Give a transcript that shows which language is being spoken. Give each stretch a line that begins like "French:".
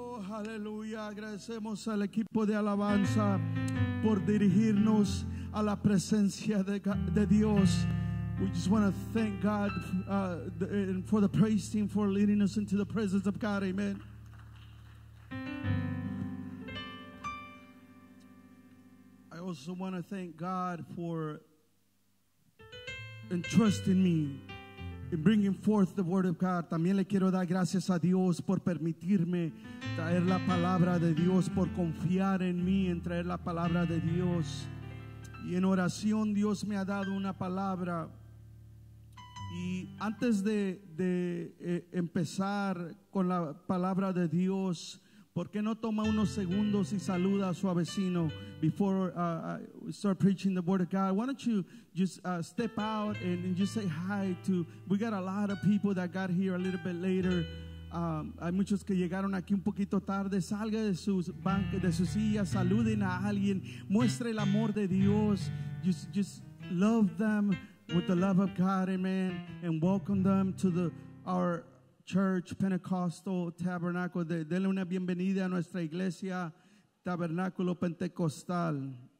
Spanish: Aleluya, agradecemos al equipo de alabanza por dirigirnos a la presencia de Dios.
English: We just want to thank God for the praise team for leading us into the presence of God. Amen. I also want to thank God for entrusting me in bringing forth the word of God.
Spanish: También le quiero dar gracias a Dios por permitirme traer la palabra de Dios, por confiar en mí en traer la palabra de Dios. Y en oración Dios me ha dado una palabra. Y antes de empezar con la palabra de Dios, ¿por qué no toma unos segundos y saluda a su vecino
English: before I start preaching the word of God? Why don't you just step out and just say hi to, we got a lot of people that got here a little bit later.
Spanish: Hay muchos que llegaron aquí un poquito tarde. Salga de sus bancas, de sus sillas, saluden a alguien, muestre el amor de Dios.
English: Just love them with the love of God, amen, and welcome them to our church, Pentecostal Tabernacle.
Spanish: Denle una bienvenida a nuestra iglesia, Tabernáculo Pentecostal.